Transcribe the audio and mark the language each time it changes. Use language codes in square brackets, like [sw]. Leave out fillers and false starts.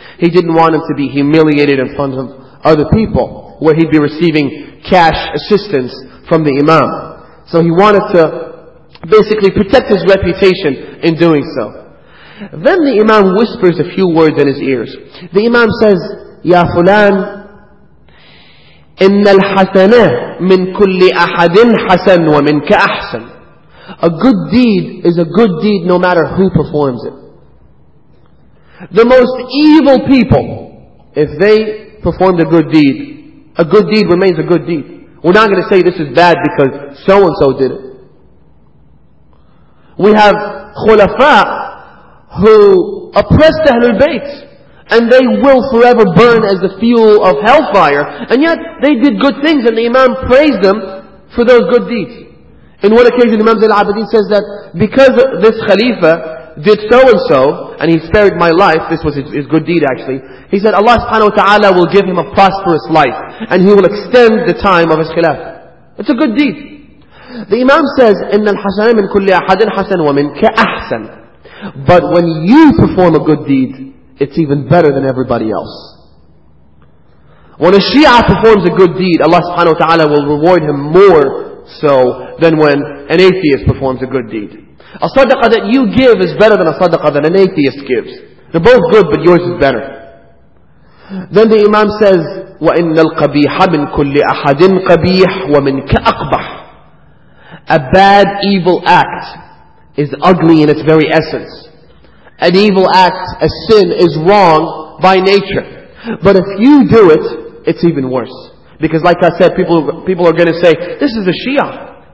[en] He didn't want him to be humiliated in front of other people, where he'd be receiving cash assistance from the Imam. So he wanted to basically protect his reputation in doing so. Then the Imam whispers a few words in his ears. The Imam says, [ar] Ya Fulan, إِنَّ الْحَسَنَةَ مِنْ كُلِّ أَحَدٍ حَسَنْ وَمِنْكَ أَحْسَنْ. [en] A good deed is a good deed no matter who performs it. The most evil people, if they performed a good deed remains a good deed. We're not going to say this is bad because so-and-so did it. We have khulafa who oppressed Ahlul Bayt, and they will forever burn as the fuel of hellfire, and yet they did good things, and the Imam praised them for those good deeds. In one occasion, Imam Zain al-Abidin says that because this Khalifa did so and so, and he spared my life, this was his good deed actually, he said Allah subhanahu wa ta'ala will give him a prosperous life, and he will extend the time of his khilaf. It's a good deed. The Imam says, [ar] إِنَّ الْحَسَنَ مِنْ كُلِّ أَحَدٍ حَسَنٍ وَمِنْكَ أَحْسَنٍ. [en] But when you perform a good deed, it's even better than everybody else. When a Shia performs a good deed, Allah subhanahu wa ta'ala will reward him more so than when an atheist performs a good deed. A sadaqah that you give is better than a sadaqah that an atheist gives. They're both good, but yours is better. Then the Imam says, [ar] وَإِنَّ الْقَبِيحَ مِنْ كُلِّ أَحَدٍ قَبِيحٍ وَمِنْكَ أَقْبَحٍ. [en] A bad, evil act is ugly in its very essence. An evil act, a sin, is wrong by nature. But if you do it, it's even worse. Because like I said, people are going to say, this is a Shia.